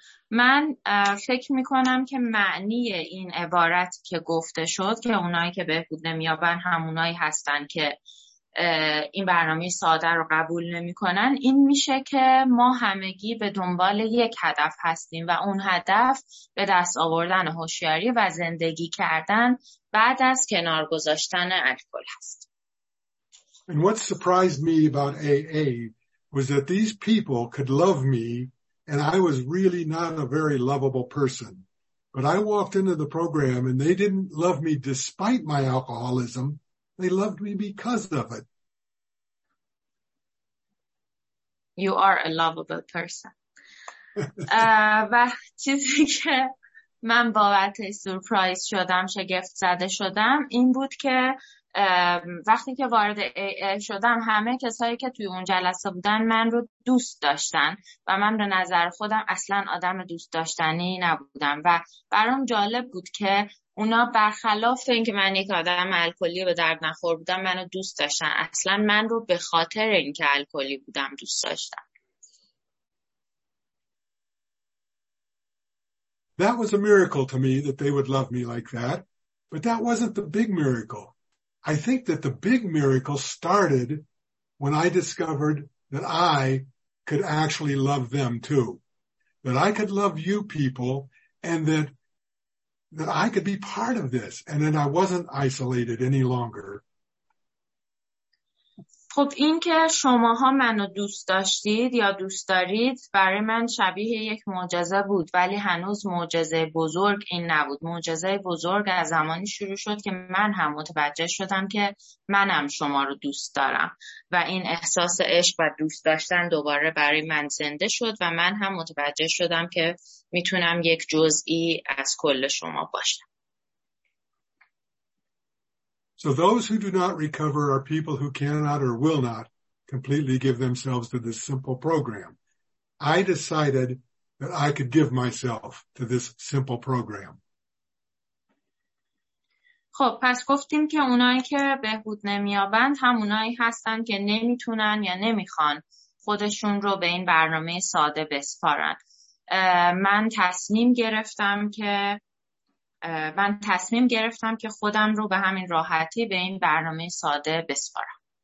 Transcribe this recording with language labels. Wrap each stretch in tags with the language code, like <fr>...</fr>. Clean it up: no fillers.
<fa>من فکر میکنم که معنی این عبارت که گفته شد که اونایی که بهبود نمیابن همونایی هستن که این برنامه ساده رو قبول نمی‌کنن، این میشه که ما همگی به دنبال یک هدف هستیم و اون هدف به دست آوردن هوشیاری و زندگی کردن بعد از کنار گذاشتن الکل هست.</fa> <en>And what surprised me about AA was that these people could love me and I was really not a very lovable person. But I walked into the program and they didn't love me despite my alcoholism. They loved me because of it. You are a lovable person.</en> <fa>و چیزی که من بابت سورپرایز شدم، شگفت زده شدم، این بود که وقتی که وارد AA شدم همه کسایی که توی اون جلسه بودن من رو دوست داشتن و من به نظر خودم اصلا آدم دوست داشتنی نبودم و برام جالب بود که اونا برخلاف اینکه من یک آدم الکلی به درد نخور بودم منو دوست داشتن، اصلا من رو به خاطر اینکه الکلی بودم دوست داشتن.</fa> <en>That was a miracle to me that they would love me like that, but that wasn't the big miracle. I think that the big miracle started when I discovered that I could actually love them too. That I could love you people and that I could be part of this, and then I wasn't isolated any longer.</en> <fa>خب این که شماها منو دوست داشتید یا دوست دارید برای من شبیه یک معجزه بود، ولی هنوز معجزه بزرگ این نبود. معجزه بزرگ از زمانی شروع شد که من هم متوجه شدم که منم شما رو دوست دارم و این احساس عشق و دوست داشتن دوباره برای من زنده شد و من هم متوجه شدم که میتونم یک جزئی از کل شما باشم.</fa> <en>So those who do not recover are people who cannot or will not completely give themselves to this simple program. I decided that I could give myself to this simple program.</en> <fa>خب پس گفتیم که اونایی که بهبود نمیابند هم اونایی هستن که نمیتونن یا نمیخوان خودشون رو به این برنامه ساده بسپارن. من تصمیم گرفتم که خودم رو به همین راحتی به این برنامه ساده بسپارم.</fa>